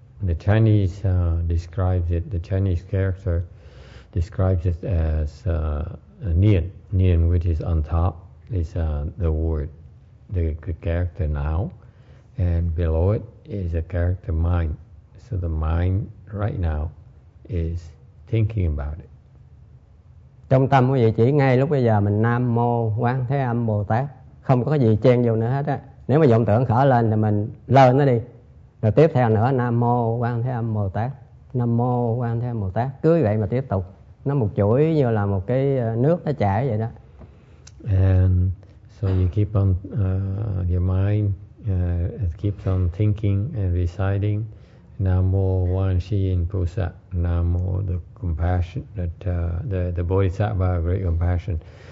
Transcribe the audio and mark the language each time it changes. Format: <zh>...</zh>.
<en>The Chinese describes it, the Chinese character describes it as nian. Nian, which is on top, is the word, the character now, and below it is a character mind. So the mind right now is thinking about it.</en> <vi>Trong tâm quý vị chỉ ngay lúc bây giờ mình Nam Mô Quan Thế Âm Bồ Tát, không có cái gì chen vô nữa hết á. Nếu mà vọng tưởng khởi lên thì mình lơ nó đi. Rồi tiếp theo nữa Nam Mô Quan Thế Âm Bồ Tát, Nam Mô Quan Thế Âm Bồ Tát, cứ vậy mà tiếp tục. Nó một chuỗi như là một cái nước nó chảy vậy đó.</vi> <en>And so you keep on, your mind, it keeps on thinking and reciting, Namo Wanshin Pusa, Namo, the compassion, that the Bodhisattva of great compassion.</en>